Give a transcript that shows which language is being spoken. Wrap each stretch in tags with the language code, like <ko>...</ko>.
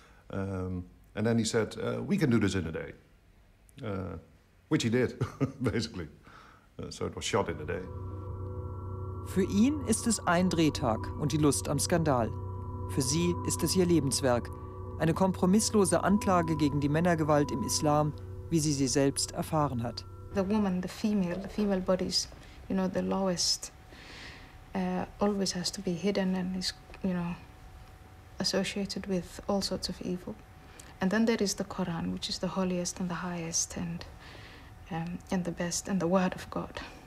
<en>And then he said, we can do this in a day. Which he did, basically. So it was shot in a day.</en> <de>Für ihn ist es ein Drehtag und die Lust am Skandal. Für sie ist es ihr Lebenswerk. Eine kompromisslose Anklage gegen die Männergewalt im Islam, wie sie sie selbst erfahren hat.</de> <en>The woman, the female body is, you know, the lowest. Always has to be hidden and is, you know, associated with all sorts of evil. And then there is the Quran, which is the holiest and the highest and the best and the word of God.</en>